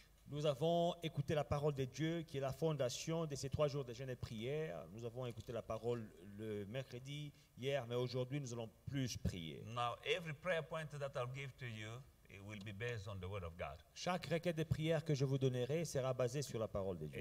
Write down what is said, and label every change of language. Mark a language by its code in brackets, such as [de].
[fr] Nous avons écouté la parole de Dieu qui est la fondation de ces 3 jours de jeûne et prière. Nous avons écouté la parole le mercredi, hier, mais aujourd'hui nous allons plus prier. [en] Now every prayer point that I'll give to you, it will be based on the word of God. [fr] Chaque requête de prière que je vous donnerai sera basée sur la parole de Dieu.